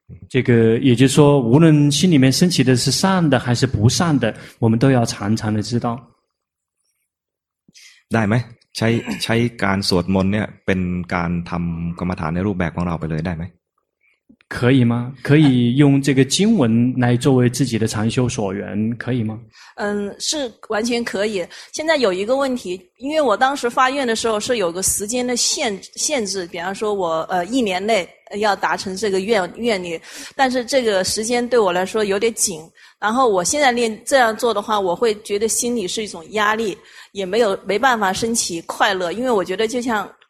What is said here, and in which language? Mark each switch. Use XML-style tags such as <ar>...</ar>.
<zh>这个也就是说无论心里面升起的是善的还是不善的我们都要常常的知道</zh> <th>ได้ไหมใช้การสวดมนต์เนี่ยเป็นการทำกรรมฐานในรูปแบบของเราไปเลยได้ไหม</th> <zh>可以吗可以用这个经文来作为自己的禅修所缘可以吗是完全可以现在有一个问题因为我当时发愿的时候是有个时间的限制比方说我一年内要达成这个愿力但是这个时间对我来说有点紧然后我现在练这样做的话我会觉得心里是一种压力也没办法升起快乐因为我觉得就像</zh>